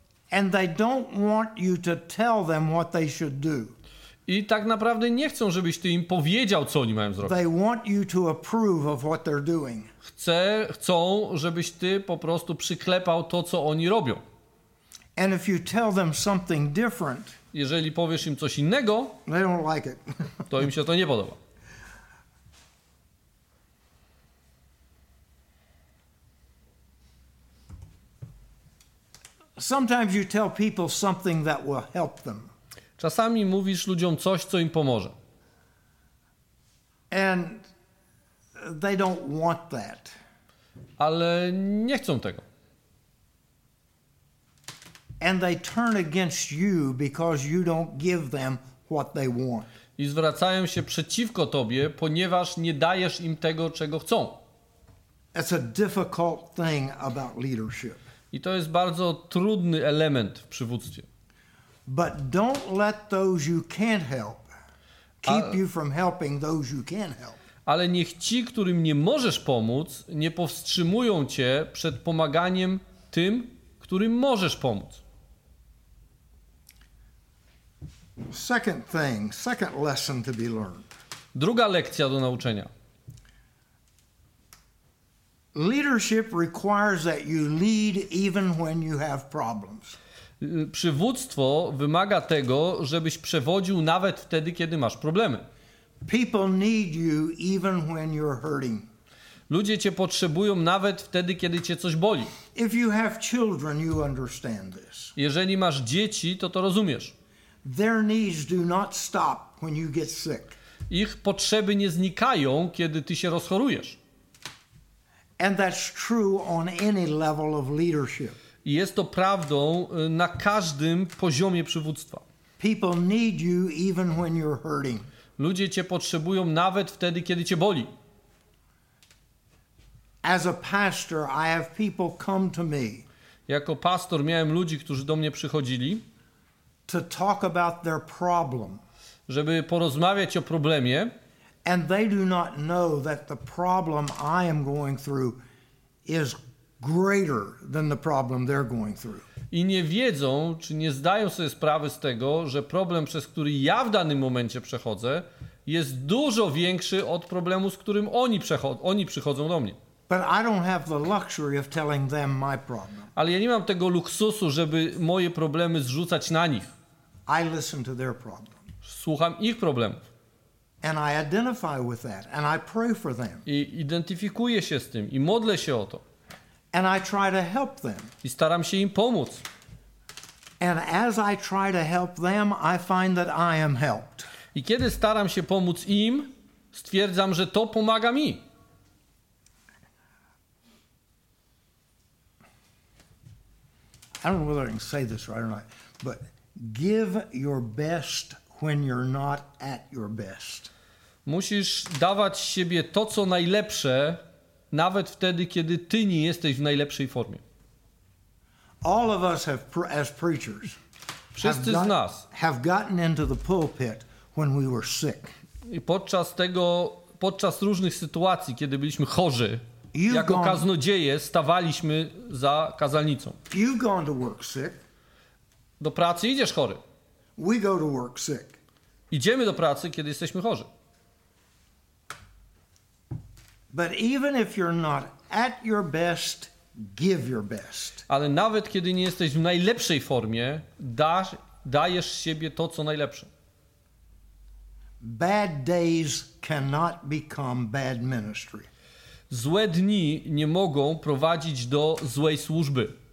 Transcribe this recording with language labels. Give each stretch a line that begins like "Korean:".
English: And they don't want you to tell them what they should do.
Polish: I tak naprawdę nie chcą, żebyś ty im powiedział, co oni mają zrobić.
English: They want you to approve of what they're doing.
Polish: Chcą, żebyś ty po prostu przyklepał to, co oni robią.
English: And if you tell them something different,
Polish: jeżeli powiesz im coś innego,
English: they don't like it.
Polish: To im się to nie podoba.
English: Sometimes you tell people something that will help them.
Polish: Czasami mówisz ludziom coś, co im pomoże.
English: And they don't want that.
Polish: Ale nie chcą tego.
English: And they turn against you because you don't give them what they want.
Polish: i zwracają się przeciwko tobie, ponieważ nie dajesz im tego, czego chcą.
English: It's a difficult thing about leadership.
Polish: I to jest bardzo trudny element w przywództwie.
English: But don't let those you can't help keep you from helping those you can help.
Polish: Ale niech ci, którym nie możesz pomóc, nie powstrzymują cię przed pomaganiem tym, którym możesz pomóc.
English: Second thing, second lesson to be learned.
Polish: Druga lekcja do nauczenia.
English: Leadership requires that you lead even when you have problems.
Polish: Przywództwo wymaga tego, żebyś przewodził nawet wtedy, kiedy masz problemy.
English: People need you even when you're hurting.
Polish: Ludzie cię potrzebują nawet wtedy, kiedy cię coś boli.
English: If you have children, you understand this.
Polish: Jeżeli masz dzieci, to to rozumiesz.
English: Their needs do not stop when you get sick.
Polish: Ich potrzeby nie znikają, kiedy ty się rozchorujesz.
English: And that's true on any level of leadership.
Polish: Jest to prawdą na każdym poziomie przywództwa.
English: People need you even when you're hurting.
Polish: Ludzie cię potrzebują nawet wtedy, kiedy cię boli.
English: As a pastor, I have people come to me.
Polish: Jako pastor miałem ludzi, którzy do mnie przychodzili.
English: To talk about their problem.
Polish: Żeby porozmawiać o problemie.
English: And they do not know that the problem I am going through is greater than the problem they're going through.
Polish: I nie wiedzą, czy nie zdają sobie sprawy z tego, że problem, przez który ja w danym momencie przechodzę, jest dużo większy od problemu, z którym oni przychodzą do mnie.
English: But I don't have the luxury of telling them my problem.
Polish: Ale ja nie mam tego luksusu, żeby moje problemy zrzucać na nich.
English: I listen to their problem.
Polish: Słucham ich problemów.
English: And I identify with that, and I pray for them.
Polish: I identyfikuję się z tym i modlę się o to.
English: And I try to help them.
Polish: I staram się im pomóc.
English: And as I try to help them, I find that I am helped.
Polish: I kiedy staram się pomóc im, stwierdzam, że to pomaga mi.
English: I don't know whether I can say this right or not, but give your best when you're not at your best.
Polish: Musisz dawać z siebie to, co najlepsze, nawet wtedy, kiedy ty nie jesteś w najlepszej formie.
English: All of us have, as preachers,
Polish: wszyscy z nas
English: have gotten into the pulpit when we were sick.
Polish: I podczas tego, podczas różnych sytuacji, kiedy byliśmy chorzy, jako kaznodzieje stawaliśmy za kazalnicą.
English: You've gone to work sick.
Polish: Do pracy idziesz chory.
English: We go to work sick.
Polish: Idziemy do pracy, kiedy jesteśmy chorzy.
English: But even if you're not at your best, give your best.
Polish: Ale nawet kiedy nie jesteś w najlepszej formie, dajesz z siebie to, co najlepsze.
English: Bad days cannot become bad ministry.
Polish: Złe dni nie mogą prowadzić do złej służby.